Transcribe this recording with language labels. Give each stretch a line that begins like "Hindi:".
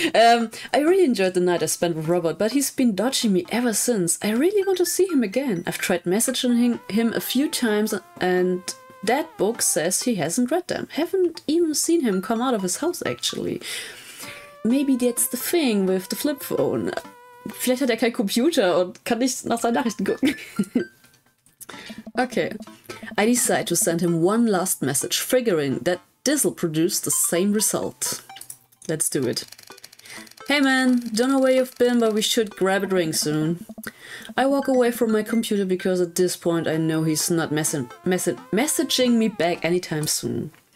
English: I really enjoyed the night I spent with Robert, but he's been dodging me ever since. I really want to see him again. I've tried messaging him a few times and that book says he hasn't read them. Haven't even seen him come out of his house, actually. Maybe that's the thing with the flip phone.
German: Vielleicht hat er keinen Computer und kann nicht nach seinen Nachrichten gucken.
English: Okay. I decide to send him one last message, figuring that this'll produce the same result. Let's do it. Hey man, don't know where you've been, but we should grab a drink soon. I walk away from my computer because at this point I know he's not messaging me back anytime soon.